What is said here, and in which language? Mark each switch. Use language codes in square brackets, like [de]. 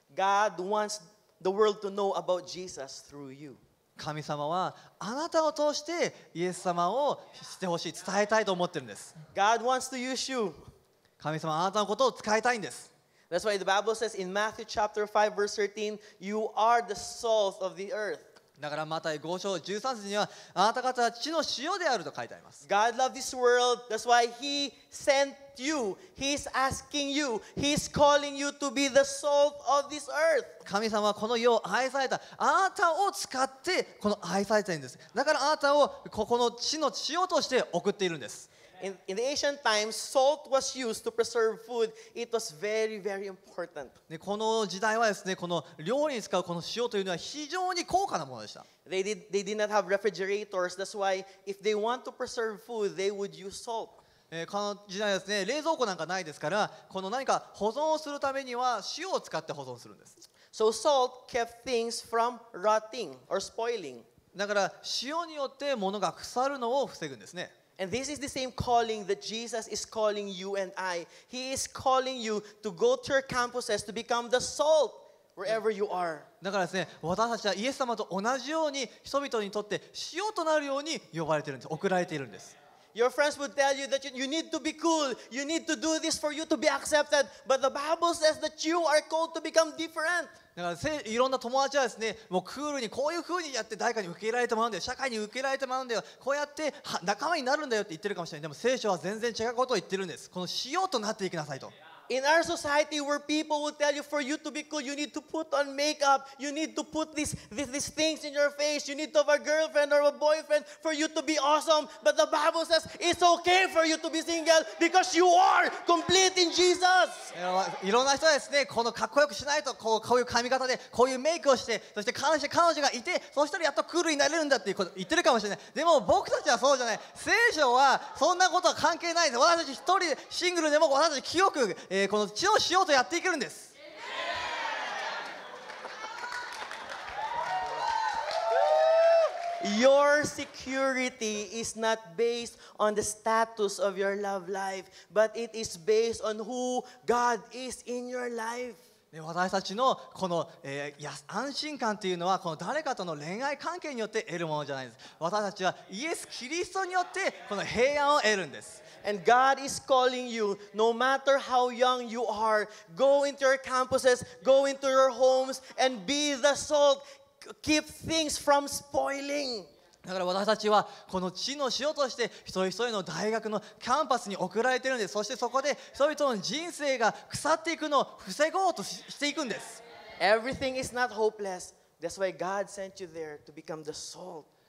[en] God wants the world to know about Jesus through you. [ja] 神様はあなたを通してイエス様を知ってほしい、伝えたいと思ってるんです。 [en] God wants to use you. [ja] 神様、あなたのことを使いたいんです。 [en] That's why the Bible says in Matthew chapter 5 verse 13, you are the salt of the earth. [ja] だからマタイ5章13節には、あなた方は地の塩であると書いてあります。 [en] God loved this world. That's why He sent you. He's asking you. He's calling you to be the salt of this earth. [ja] 神様はこの世を愛された。あなたを使ってこの愛されたいんです。だからあなたをここの地の塩として送っているんです。 [en] In the ancient times, salt was used to preserve food. It was very, very important. [ja] この時代はですね、この料理に使うこの塩というのは非常に高価なものでした。 [en] They did not have refrigerators. That's why if they want to preserve food, they would use salt. [ja] この時代はですね、冷蔵庫なんかないですから、この何か保存をするためには塩を使って保存するんです。 [en] So salt kept things from rotting or spoiling. [ja] だから塩によって物が腐るのを防ぐんですね。 [en] And this is the same calling that Jesus is calling you and I. He is calling you to go to your campuses to become the salt wherever you are. [ja] だからですね、私たちはイエス様と同じように人々にとって塩となるように呼ばれているんです。送られているんです。 [en] Your friends would tell you that you need to be cool, you need to do this for you to be accepted. But the Bible says that you are called to become different. [ja] だからいろんな友達はですね、もうクールにこういう風にやって誰かに受け入れられてもらうんだよ、社会に受け入れられてもらうんだよ、こうやって仲間になるんだよって言ってるかもしれない。でも聖書は全然違うことを言ってるんです。この塩となっていきなさいと。 [en] In our society where people will tell you for you to be cool, you need to put on makeup, you need to put these things in your face, you need to have a girlfriend or a boyfriend for you to be awesome. But the Bible says it's okay for you to be single because you are complete in Jesus. [ja] いろんな人はですね、このかっこよくしないと、こういう髪型で、こういうメイクをして、そして彼女がいて、そしたらやっとクールになれるんだっていうこと言ってるかもしれない。でも僕たちはそうじゃない。聖書はそんなことは関係ないです。私たち一人シングルでも私たち記憶この血をしようとやっていけるんです。 [en] Your security is not based on the status of your love life, but it is based on who God is in your life. [ja] 私たちのこの安心感というのはこの誰かとの恋愛関係によって得るものじゃないです。私たちはイエス・キリストによってこの平安を得るんです。 [en] And God is calling you, no matter how young you are, go into your campuses, go into your homes, and be the salt. Keep things from spoiling. [ja] だから私たちはこの地の塩として一人一人の大学のキャンパスに送られているんです。そしてそこで人々の人生が腐っていくのを防ごうとしていくんです。 [en] Everything is not hopeless. That's why God sent you there to become the salt.